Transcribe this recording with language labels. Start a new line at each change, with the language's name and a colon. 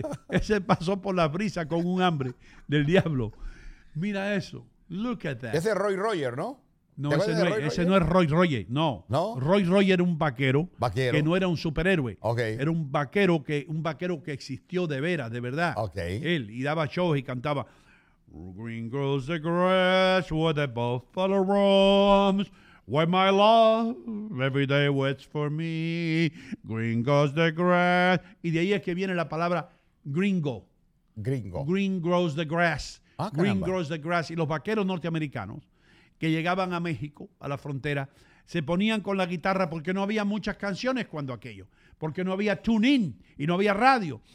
Spanish: Ese pasó por la brisa con un hambre del diablo. Mira eso.
English: Look at that.
Spanish: Ese es Roy Rogers, ¿no? No, ese no es Roy Rogers, no. ¿No? Roy Rogers era un vaquero. Vaquero. Que no era un superhéroe. Okay. Era un vaquero que existió de veras, de verdad. Okay. Él, y daba shows y cantaba.
English: Green grows the grass where the buffalo roams. Where my love every day waits for me. Green grows the grass.
Spanish: Y de ahí es que viene la palabra gringo. Gringo.
English: Green grows the grass. Ah, green
Spanish: caramba.
English: Grows the grass.
Spanish: Y los vaqueros norteamericanos que llegaban a México, a la frontera, se ponían con la guitarra porque no había muchas canciones cuando aquello, porque no había tune-in y no había radio.